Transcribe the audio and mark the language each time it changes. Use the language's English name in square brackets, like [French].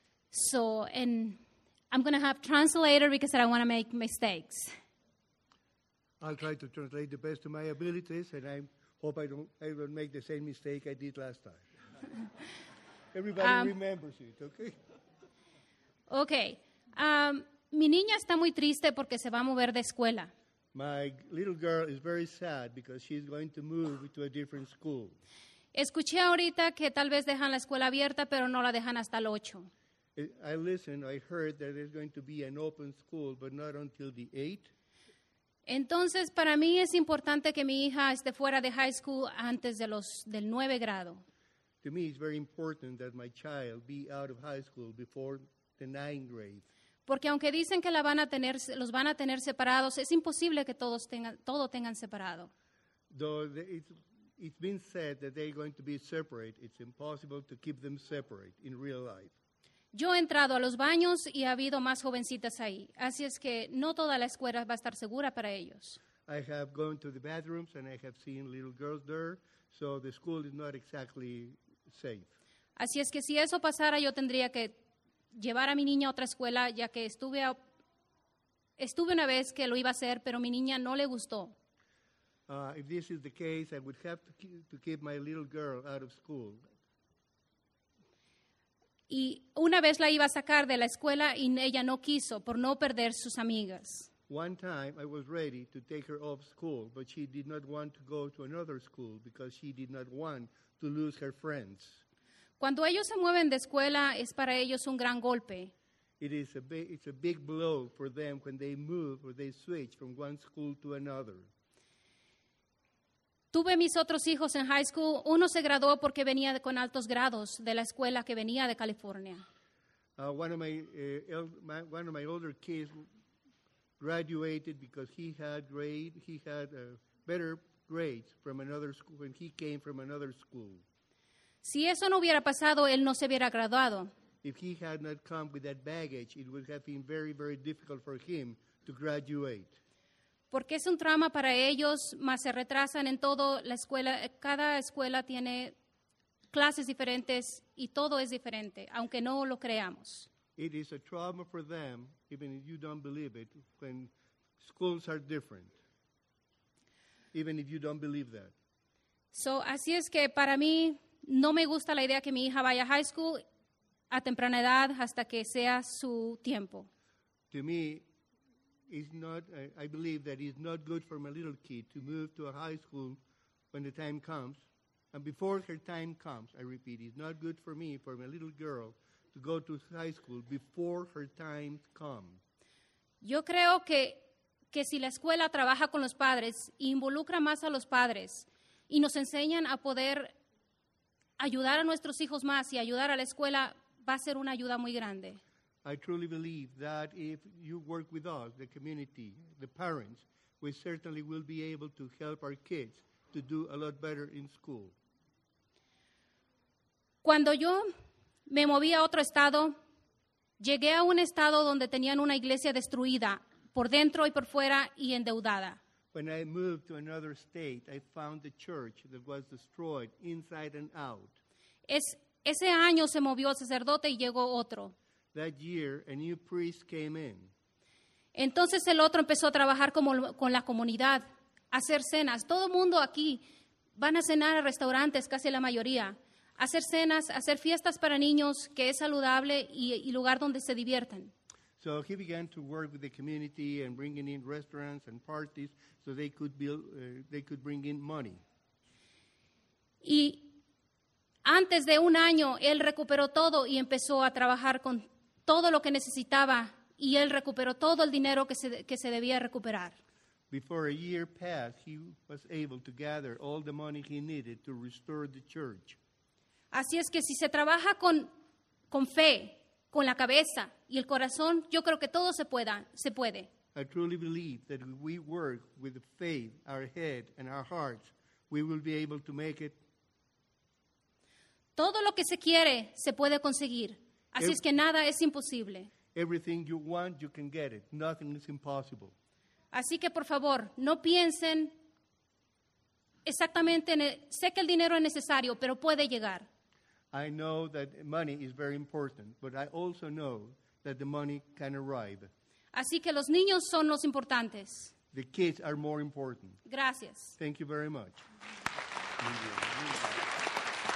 [English] So, and I'm going to have translator because I don't want to make mistakes. I'll try to translate the best of my abilities, and I hope I don't make the same mistake I did last time. Everybody remembers it, okay? Okay. [Spanish] Mi niña está muy triste porque se va a mover de escuela. [English] My little girl is very sad because she's going to move to a different school. [Spanish] Escuché ahorita que tal vez dejan la escuela abierta, pero no la dejan hasta el 8. [English] I heard that there's going to be an open school, but not until the 8. [Spanish] Entonces, para mí es importante que mi hija esté fuera de high school antes de del 9 grado. [English] To me, it's very important that my child be out of high school before the 9th grade. [Spanish] Porque aunque dicen que los van a tener separados, es imposible que todo tengan separado. [English] It's been said that they're going to be separate. It's impossible to keep them separate in real life. [Spanish] Yo he entrado a los baños y ha habido más jovencitas ahí. Así es que no toda la escuela va a estar segura para ellos. [English] I have gone to the bathrooms and I have seen little girls there, so the school is not exactly safe. [Spanish] Así es que si eso pasara, yo tendría que llevar a mi niña a otra escuela, ya que estuve Estuve una vez que lo iba a hacer, pero mi niña no le gustó. [English] If this is the case, I would have to keep my little girl out of school. [Spanish] Y una vez la iba a sacar de la escuela y ella no quiso por no perder sus amigas. [English] One time I was ready to take her off school, but she did not want to go to another school because she did not want to lose her friends. [Spanish] Cuando ellos se mueven de escuela, es para ellos un gran golpe. [English] It is a big blow for them when they move or they switch from one school to another. [Spanish] Tuve mis otros hijos en high school. Uno se graduó porque venía con altos grados de la escuela que venía de California. [English] One of my older kids graduated because he had better grades from another school when he came from another school. [Spanish] Si eso no hubiera pasado, él no se hubiera graduado. [English] If he had not come with that baggage, it would have been very, very difficult for him to graduate. [Spanish] Porque es un trauma para ellos, más se retrasan en todo la escuela. Cada escuela tiene clases diferentes y todo es diferente, aunque no lo creamos. [English] It is a trauma for them, even if you don't believe it, when schools are different, even if you don't believe that. So, [Spanish] así es que para mí, no me gusta la idea que mi hija vaya a high school a temprana edad hasta que sea su tiempo. [English] To me, I believe that it's not good for my little kid to move to a high school when the time comes. And before her time comes, I repeat, it's not good for me, for my little girl, to go to high school before her time comes. [Spanish] Yo creo que si la escuela trabaja con los padres e involucra más a los padres y nos enseñan a poder ayudar a nuestros hijos más y ayudar a la escuela, va a ser una ayuda muy grande. [English] I truly believe that if you work with us, the community, the parents, we certainly will be able to help our kids to do a lot better in school. [Spanish] Cuando yo me moví a otro estado, llegué a un estado donde tenían una iglesia destruida por dentro y por fuera y endeudada. [English] When I moved to another state, I found a church that was destroyed inside and out. [Spanish] Ese año se movió el sacerdote y llegó otro. [English] That year, a new priest came in. [Spanish] Entonces el otro empezó a trabajar con la comunidad, a hacer cenas. Todo mundo aquí van a cenar a restaurantes, casi la mayoría. Hacer cenas, hacer fiestas para niños, que es saludable y lugar donde se diviertan. [English] So he began to work with the community and bringing in restaurants and parties so they could bring in money. [Spanish] Y antes de un año, él recuperó todo y empezó a trabajar con todo lo que necesitaba y él recuperó todo el dinero que se debía recuperar. [English] Before a year passed, he was able to gather all the money he needed to restore the church. [Spanish] Así es que si se trabaja con fe, con la cabeza y el corazón, yo creo que todo se puede. [English] I truly believe that if we work with faith, our head and our hearts, we will be able to make it. [Spanish] Todo lo que se quiere se puede conseguir. Así es que nada es imposible. [English] Everything you want, you can get it. Nothing is impossible. [Spanish] Así que por favor, no piensen exactamente en el, sé que el dinero es necesario, pero puede llegar. [English] I know that money is very important, but I also know that the money can arrive. [Spanish] Así que los niños son los importantes. [English] The kids are more important. [Spanish] Gracias. [English] Thank you very much. Thank you.